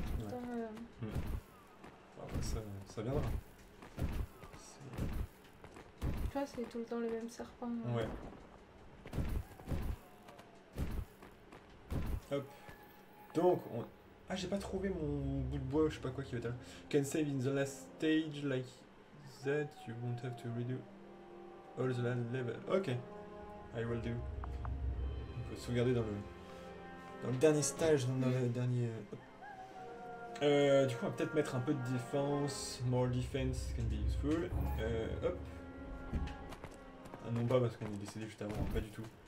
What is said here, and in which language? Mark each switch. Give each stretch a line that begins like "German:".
French: Ah, bah, ça viendra. Tu vois, c'est tout le temps le même serpent. Ouais. Ouais. Hop. Donc, on. Ah, j'ai pas trouvé mon bout de bois, je sais pas quoi qui va être là.
English: Can save in the last stage, like. That you won't have to redo all the land level. Ok, I will do.
French: On peut sauvegarder dans le dernier stage, dans le dernier. Du coup, on va peut-être mettre un peu de défense.
English: More defense can be useful.
French: Hop. Ah non, pas parce qu'on est décédé juste avant, pas du tout.